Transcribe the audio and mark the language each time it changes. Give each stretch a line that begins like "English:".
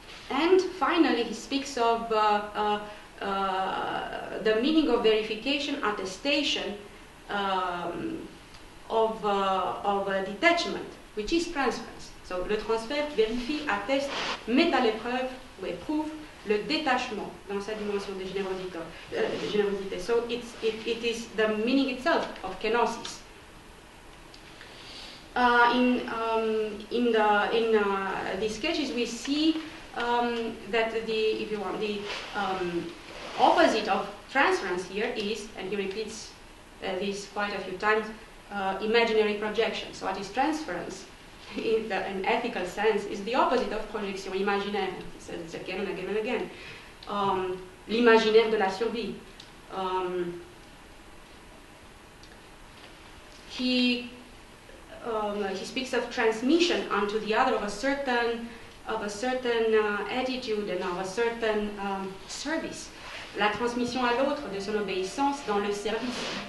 English: And finally, he speaks of the meaning of verification, attestation of detachment, which is transference.
French: So le transfert vérifie, atteste, met à l'épreuve, ou éprouve, le détachement dans sa dimension de générosité.
English: So it is the meaning itself of kenosis. In these sketches, we see that the opposite of transference here is, and he repeats this quite a few times, imaginary projection. So what is transference in an ethical sense is the opposite of projection, imaginaire. It's again and again and again.
French: L'imaginaire de la survie.
English: He speaks of transmission unto the other of a certain attitude and of a certain service.
French: La transmission à l'autre de son obéissance dans le service.